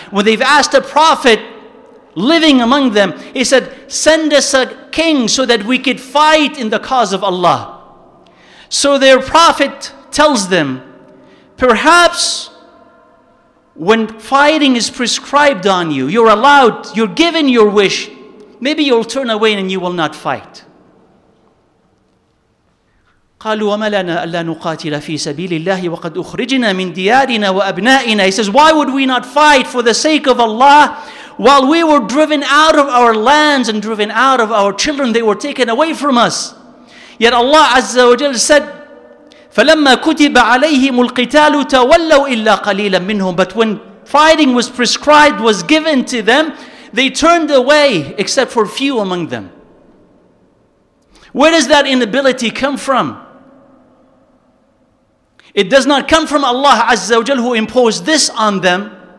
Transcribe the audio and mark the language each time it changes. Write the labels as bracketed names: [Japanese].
[English] When they've asked a prophet living among them, he said, send us a king so that we could fight in the cause of Allah. So their prophet tells them, perhaps when fighting is prescribed on you, you're allowed, you're given your wish, maybe you'll turn away and you will not fight. [Arabic] قالوا وما لنا الا نقاتل في سبيل الله وقد اخرجنا من ديارنا وابنائنا. [English] He says, why would we not fight for the sake of Allah while we were driven out of our lands and driven out of our children? They were taken away from us. Yet Allah Azza wa Jalla said, [Arabic] فلما كتب عليهم القتال تولوا الا قليلا منهم. [English] But when fighting was prescribed, was given to them, they turned away except for few among them. Where does that inability come from? It does not come from Allah Azza wa Jal who imposed this on them.